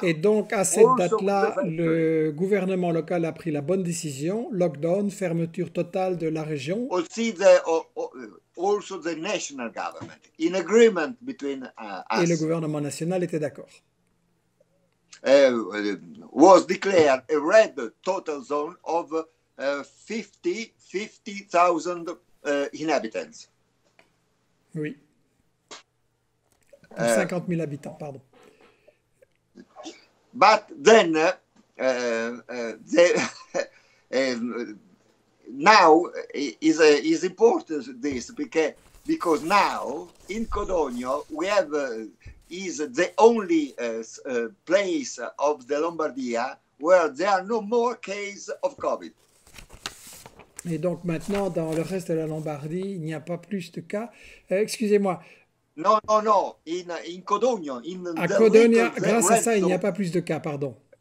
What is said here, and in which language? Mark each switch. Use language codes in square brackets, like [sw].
[fr] Et donc, à cette date-là, le gouvernement local a pris la bonne décision, lockdown, fermeture totale de la région. [en] Aussi, also the national government, in agreement between us. [fr] Et le gouvernement national était d'accord. [en] Was declared a red total zone of 50,000 inhabitants. [fr] Oui. 50 000 habitants, pardon. [en] But then, now is important this because now in Codogno we have is the only place of the Lombardia where there are no more cases of COVID. [fr] Et donc maintenant, dans le reste de la Lombardie, il n'y a pas plus de cas. Excusez-moi. [en] No, in Codogno, in [fr] à Codogno, grâce à ça, il n'y a pas plus de cas, pardon.